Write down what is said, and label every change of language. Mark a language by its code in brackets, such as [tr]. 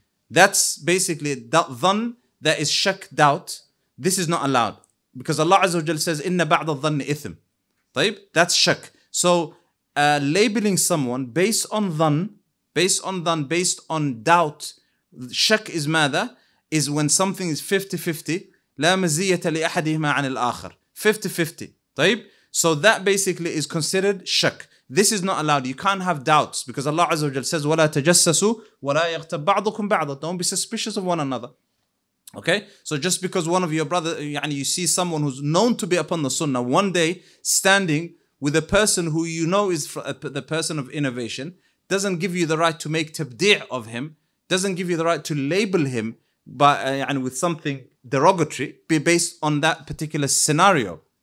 [en] That's basically that dhan that is shak, doubt. This is not allowed. Because Allah Azza wa Jalla says, inna ba'da dhanni ithm. [ar] طيب? [en] That's shak. So, labeling someone based on dhan, based on doubt, shak is [ar] ماذا? [en] Is when something is 50-50. [ar] لا مزية لأحدهما عن الآخر. [en] 50-50. [ar] طيب? [en] So that basically is considered shak. This is not allowed. You can't have doubts. Because Allah Azza wa Jal says, [ar] وَلَا تَجَسَّسُوا وَلَا يَغْتَبْ بَعْضُكُمْ بَعْضًا. [en] Don't be suspicious of one another. Okay? So just because one of your brother, [ar] يعني [en] you see someone who's known to be upon the sunnah, one day standing with a person who you know is the person of innovation, doesn't give you the right to make tabdi' of him, doesn't give you the right to label him by and with something derogatory be based on that particular scenario.